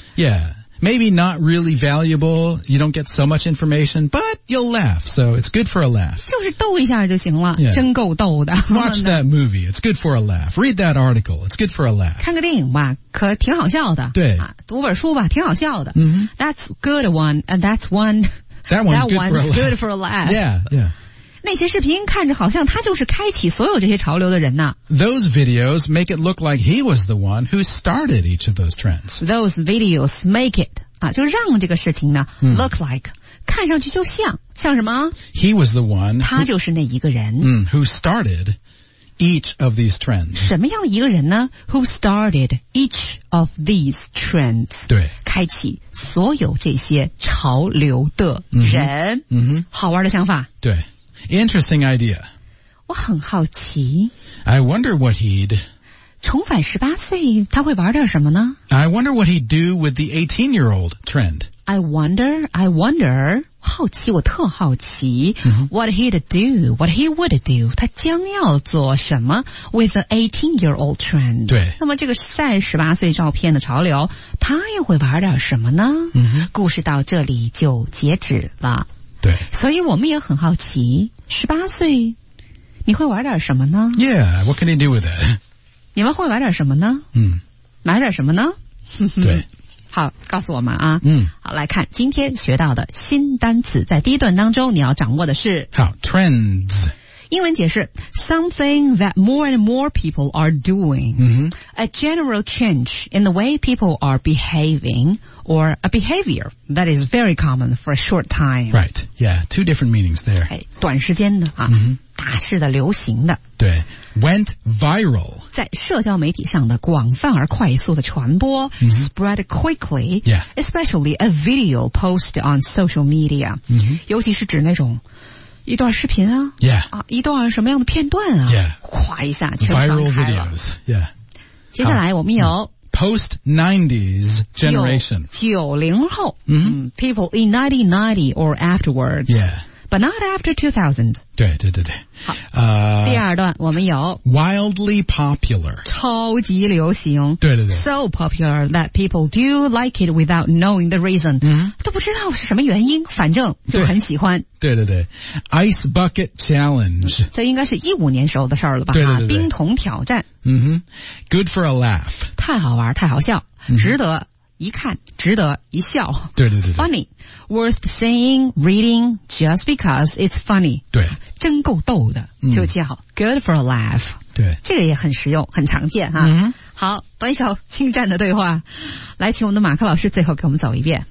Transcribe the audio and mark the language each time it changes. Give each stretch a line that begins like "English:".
English: Yeah, maybe not really valuable You don't get so much information But you'll laugh, so it's good for a laugh
Chinese: 就是逗一下就行了、真够逗的
English: Watch that movie, it's good for a laugh Read that article, it's good for a laugh
Chinese: 看个电影吧可挺好笑的对、读本书吧挺好笑的、
English: That's good one, and that's one That one's, that one's good, for good for a laugh Yeah, yeah
Chinese: 那些视频看着好像他就是开启所有这些潮流的人呢。
English: Those videos make it look like he was the one who started each of those trends. Those videos make it,
Chinese: 啊，就让这个事情呢、
English: look like,
Chinese: 看上去就像什么
English: ?He was the one,
Chinese: 他就是那一个人。
English: Who started each of these trends.
Chinese: 什么样一个人呢
English: ?Who started each of these trends.
Chinese: 对。开启所有这些潮流的人。好玩的想法。
English: 对。Interesting idea.
Chinese: 我很好奇。
English: I wonder what he'd...
Chinese: 重返十八岁他会玩点什么呢
English: ?I wonder what he'd do with the 18-year-old trend. I wonder,
Chinese: 好奇我特好奇、
English: what he'd do, what he would do,
Chinese: 他将要做什么
English: with the 18-year-old trend.
Chinese: 对。那么这个晒十八岁照片的潮流他又会玩点什么呢、故事到这里就截止了。对，所以我们也很好奇，十八岁，你会玩点什么呢
English: ？Yeah, what can you do with it?
Chinese: 你们会玩点什么呢？嗯，买点什么呢？对。好，告诉我们啊。嗯，好，来看今天学到的新单词，在第一段当中你要掌握的是
English: 好 trends。英文解释 something that more and more people are doing、 mm-hmm. a general change in the way people are behaving or a behavior that is very common for a short time. Right, yeah, two different meanings there.
Chinese: 短时间的、啊 mm-hmm. 大势的流行的
English: 对 went viral
Chinese: 在社交媒体上的广泛而快速的传播、 mm-hmm.
English: spread quickly、 yeah. especially a video posted on social media、 mm-hmm.
Chinese: 尤其是指那种一段视频啊
English: yeah.
Chinese: 啊一段什么样的片段啊
English: yeah.
Chinese: 哗一下全翻开了
English: viral videos, yeah.
Chinese: 接下来我们有、
English: Post-90s generation.
Chinese: 90后、 mm-hmm.
English: People in 1990 or afterwards. Yeah. But not after 2000.
Chinese: 对对对对。第二段我们有
English: Wildly popular.
Chinese: 超级流行。对对对。
English: So popular that people do like it without knowing the reason.、 Mm-hmm.
Chinese: 都不知道是什么原因反正就很喜欢。
English: 对对对 Ice Bucket Challenge
Chinese: 这应该是15年时候的事儿了吧对对对对冰桶挑战、
English: mm-hmm. Good for a laugh
Chinese: 太好玩太好笑、mm-hmm. 值得一看值得一笑对对对对
English: Funny Worth saying, reading just because it's funny
Chinese: 对真够逗的、 mm-hmm. 就叫
English: Good for a laugh
Chinese: 对这个也很实用很常见哈、 mm-hmm. 好短小精湛的对话来请我们的马克老师最后给我们走一遍